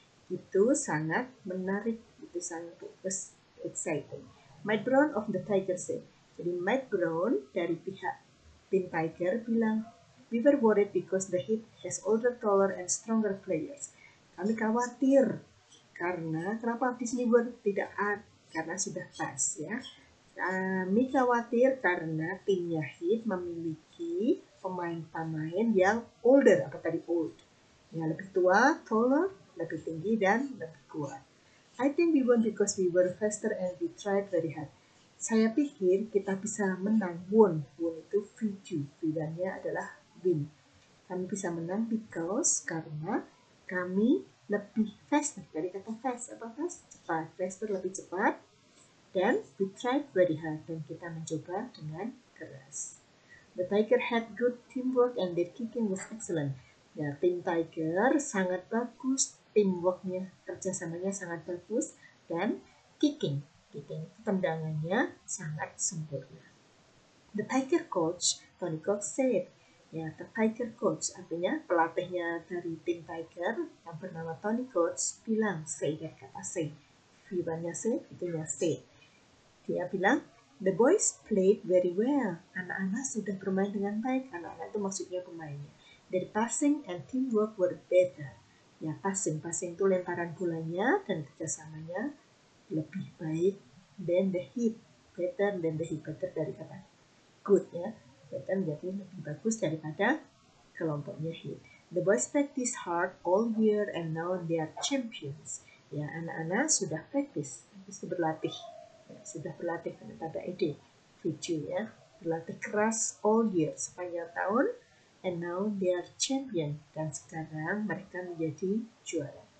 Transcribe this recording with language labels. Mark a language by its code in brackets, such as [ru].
[id] Itu sangat menarik, itu sangat exciting. [en] Mike Brown of the Tigers said. [id] Jadi, Mike Brown dari pihak tim Tiger bilang, [en] "We were worried because the Heat has older, taller, and stronger players." [id] Kami khawatir karena kenapa di sini gue tidak karena sudah pas ya. Kami khawatir karena timnya Heat memiliki pemain-pemain yang older atau tadi old, yang lebih tua, taller, lebih tinggi dan lebih kuat. [en] "I think we won because we were faster and we tried very hard." [id] Saya pikir kita bisa menang. Won, won itu future, bilangnya adalah win. Kami bisa menang because karena kami lebih fast. Dari kata fast, apa fast? Cepat. Faster, lebih cepat. Dan [en] we tried very hard. [id] Dan kita mencoba dengan keras. [en] "The Tiger had good teamwork and their kicking was excellent." [id] Ya, tim Tiger sangat bagus. Teamworknya, kerjasamanya sangat bagus. Dan kicking. Kicking, tendangannya sangat sempurna. [en] "The Tiger coach, Tony Cox, said." [id] Ya, [en] the Tiger coach, [id] artinya pelatihnya dari tim Tiger yang bernama Tony Coach bilang, say, dari kata say, V-1-nya say, itunya say. Dia bilang, "The boys played very well." Anak-anak sudah bermain dengan baik. Anak-anak itu maksudnya pemainnya. [en] "Their passing and teamwork were better." Ya, passing [id] itu lemparan bolanya dan kerjasamanya lebih baik [en] than the Heat. [id] Better than the Heat, better dari kata good ya. Dan jadi lebih bagus daripada kelompoknya Heat. [en] "The boys practice hard all year and now they are champions." [id] Ya, anak-anak sudah practice, sudah berlatih. Ya, sudah berlatih dengan tanda ide, video ya. Berlatih keras [en] all year, [id] sepanjang tahun. [en] And now they are champion. [id] Dan sekarang mereka menjadi juara.